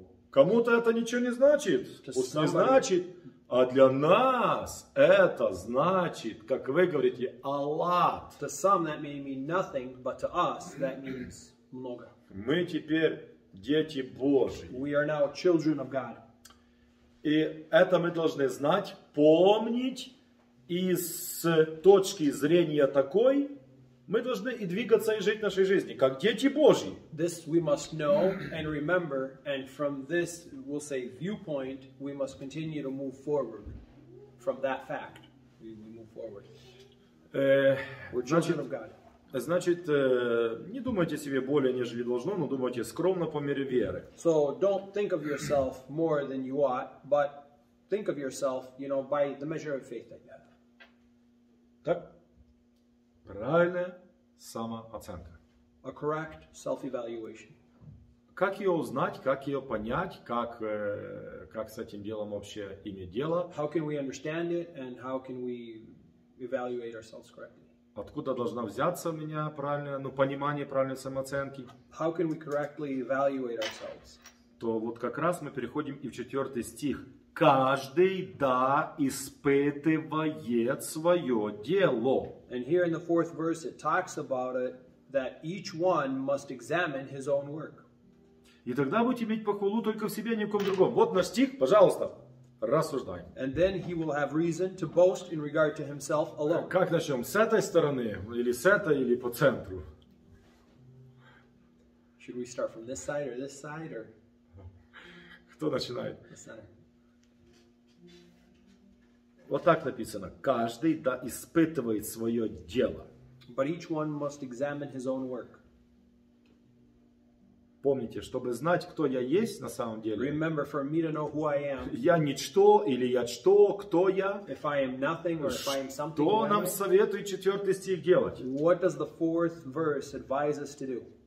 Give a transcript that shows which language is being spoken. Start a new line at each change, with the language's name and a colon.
Russian: Кому-то это ничего не значит. Пусть не значит. А для нас это значит, как вы говорите,
English: a lot. To some that may mean nothing, but to us that means
Russian: много. Мы теперь дети Божьи.
English: We are now children of God.
Russian: И это мы должны знать, помнить. И с точки зрения такой, мы должны и двигаться, и жить нашей жизнью, как дети Божьи.
English: This we must know and remember, and from this, we'll say, viewpoint, we must continue to move forward. From that fact, we move forward. We're children of God.
Russian: Значит, не думайте себе более, нежели должно, но думайте скромно по мере веры.
English: So, don't think of yourself more than you ought, but think of yourself, you know, by the measure of faith that you have.
Russian: Так, правильная самооценка.
English: A correct self-evaluation.
Russian: Как ее узнать, как ее понять, как с этим делом вообще иметь дело?
English: How can we understand it and how can we evaluate ourselves correctly?
Russian: Откуда должна взяться у меня правильное, ну, понимание правильной самооценки?
English: How can we correctly evaluate ourselves?
Russian: То вот как раз мы переходим и в четвертый стих. Каждый да испытывает свое дело.
English: And here in the fourth verse it talks about it that each one must examine his own work.
Russian: И тогда будет иметь похвалу только в себе, ни в ком другом. Вот наш стих, пожалуйста, рассуждаем.
English: And then he will have reason to boast in regard to himself alone.
Russian: Как начнем? С этой стороны или с этой или по центру?
English: should we start from this side, or?
Russian: Кто начинает? Вот так написано. Каждый да испытывает свое дело.
English: But each one must examine his own work.
Russian: Помните, чтобы знать, кто я есть на самом деле.
English: Remember, for me to know who I am.
Russian: Я ничто или я что, кто я.
English: If I am nothing or if I am something.
Russian: Что нам советует четвертый стих делать?
English: What does the fourth verse advise us to do?